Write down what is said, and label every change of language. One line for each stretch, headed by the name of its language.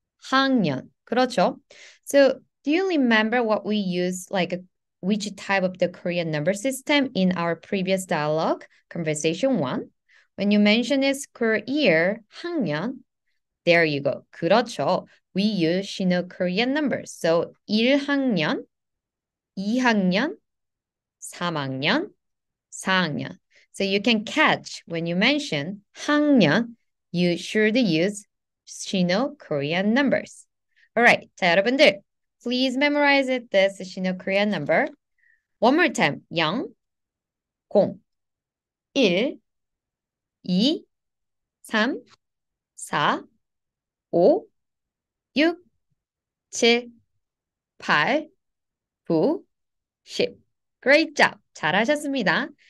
Korean: 학년, 그렇죠?
English: So do you remember what we used, like which type of the Korean number system in our previous dialogue, conversation one? When you mention it school year, 학년, there you go.
Korean: 그렇죠.
English: We use Sino-Korean numbers.
Korean: So 1학년, 2학년, 3학년, 4학년.
English: So you can catch when you mention 학년, you should use Sino-Korean numbers. All right,
Korean: 자, 여러분들,
English: please memorize it, this Sino-Korean number. One more time. 0, 0, 1, 2, 3, 4, 5, 6, 7, 8, 9, 10. Great job!
Korean: 잘하셨습니다.